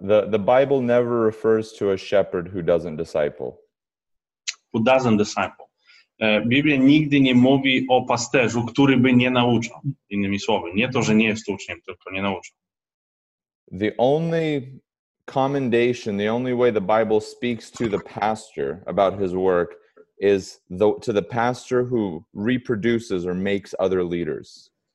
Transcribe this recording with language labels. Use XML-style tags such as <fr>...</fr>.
<en>The Bible never refers to a shepherd who doesn't disciple. Who doesn't disciple.</en> <pl>Biblia nigdy nie mówi o pasterzu, który by nie nauczał. Innymi słowy, nie to, że nie jest uczniem, tylko nie nauczał.</pl> <en>The only commendation, the only way the Bible speaks to the pastor about his work is to the pastor who reproduces or makes other leaders.</en>